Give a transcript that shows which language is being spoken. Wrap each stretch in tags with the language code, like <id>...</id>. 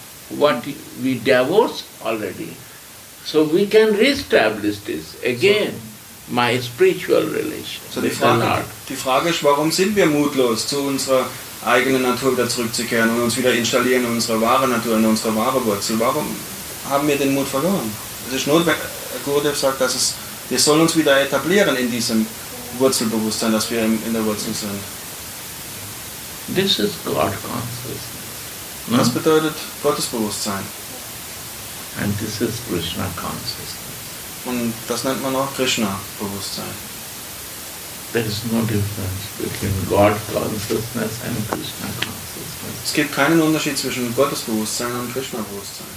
<en>What we divorced already, so we can re-establish this again. So, my spiritual relation.</en> <de>So die Frage ist, warum sind wir mutlos, zu unserer eigenen Natur wieder zurückzukehren und uns wieder installieren in unsere wahre Natur, in unsere wahre Wurzel? Warum haben wir den Mut verloren? Es ist notwendig, Gurudev sagt, dass es, wir sollen uns wieder etablieren in diesem Wurzelbewusstsein, dass wir in der Wurzel sind.</de> <en>This is God consciousness.</en> <de>Das bedeutet Gottesbewusstsein.</de> <en>And this is Krishna consciousness.</en> <de>Und das nennt man auch Krishna-Bewusstsein.</de> <en>There is no difference between God consciousness and Krishna consciousness.</en> <de>Es gibt keinen Unterschied zwischen Gottesbewusstsein und Krishna-Bewusstsein.</de>